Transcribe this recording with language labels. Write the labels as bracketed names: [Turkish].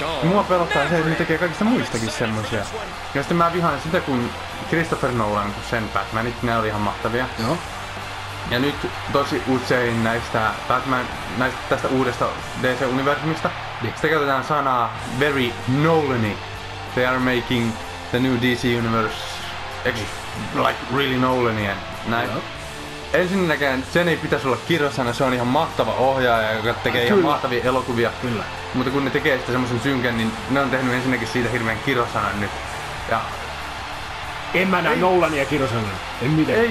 [Finnish] Mua pelottaa se, että ne tekee kaikista muistakin semmosia. Ja sitten mä vihaan sitä, kun Christopher Nolan, kun sen Batmanit, ne oli ihan mahtavia. Joo. Ja nyt tosi usein näistä Batman, näistä tästä uudesta DC-universumista, niin. Sitten käytetään sanaa [English] very Nolan-y. They are making the new DC universe. Like really Nolania. [Finnish] Näin. Ensinnäkään sen ei pitäisi olla kirosana, se on ihan mahtava ohjaaja, joka tekee ihan mahtavia elokuvia. Kyllä. Mutta kun ne tekee sitä semmosen synkän, niin ne on tehnyt ensinnäkin siitä hirveän kirosanan nyt. Ja... En mä näe Nolania kirosanan. En mitään.